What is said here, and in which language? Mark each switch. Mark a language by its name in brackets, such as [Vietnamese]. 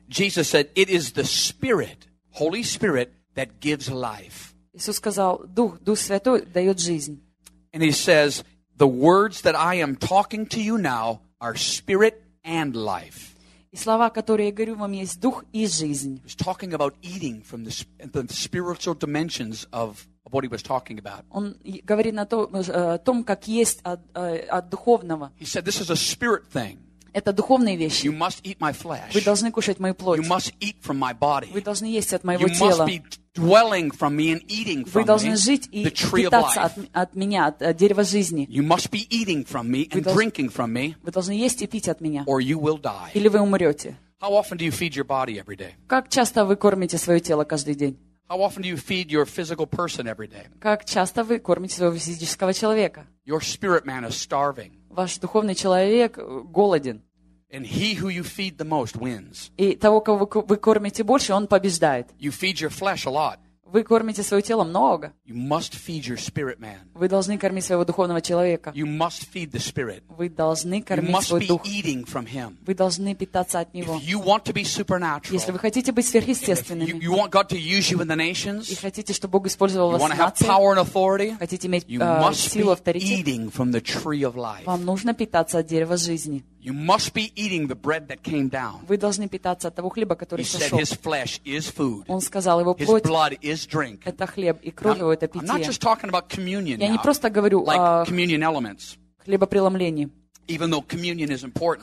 [English] Jesus said, it is the Spirit, Holy Spirit, that gives life. [Russian] Иисус сказал, Дух Святой дает жизнь. [English] And he says, the words that I am talking to you now are Spirit and life. [Russian] И слова, которые я говорю вам, есть дух и жизнь. [English] He was talking about eating from the spiritual dimensions of what he was talking about. [Russian] Он говорит о том, как есть от духовного. [English] He said, this is a spirit thing. [Russian] Это духовные вещи. [English] You must eat my flesh. [Russian] Вы должны кушать мою плоть. [English] You must eat from my body. [Russian] Вы должны есть от моего [English] you [Russian] тела. [English] You must be dwelling from me and eating from me. [Russian] Вы должны [English] me, [Russian] жить и питаться от меня, от дерева жизни. [English] You must be eating from me and drinking from me. [Russian] Вы должны есть и пить от меня. [English] Or you will die. [Russian] Или вы умрете. [English] How often do you feed your body every day? [Russian] Как часто вы кормите свое тело каждый день? [English] How often do you feed your physical person every day? [Russian] Как часто вы кормите своего физического человека? [English] Your spirit man is starving. [Russian] Ваш духовный человек голоден. [English] And he who you feed the most wins. [Russian] И того, кого вы кормите больше, он побеждает. [English] You feed your flesh a lot. [Russian] Вы кормите свое тело много. [English] You must feed your spirit man. [Russian] Вы должны кормить своего духовного человека. [English] You must feed the spirit. [Russian] Вы должны кормить [English] you must [Russian] свой [English] be [Russian] дух. [English] Eating from him. [Russian] Вы должны питаться от него. [English] If you want to be supernatural, [Russian] если вы хотите быть сверхъестественными, [English] you want God to use you in the nations, [Russian] и хотите, чтобы Бог использовал вас в нации, [English] you want to have power and authority, [Russian] хотите иметь силу авторитета, [English] you must be [Russian] авторитет, [English] eating from the tree of life. [Russian] Вам нужно питаться от дерева жизни. [English] You must be eating the bread that came down. [Russian] Вы должны питаться от того хлеба, который [English] He [Russian] сошел. [English] Said his flesh is food. [Russian] Он сказал, его плоть [English] his blood is drink. [Russian] Это хлеб, и кровь его это питье. [English] I'm not just talking about communion [Russian] Я [English] now, [Russian] не просто говорю [English] like [Russian] о [English] communion elements. [Russian] Хлебопреломлении. [English] Even though communion is important.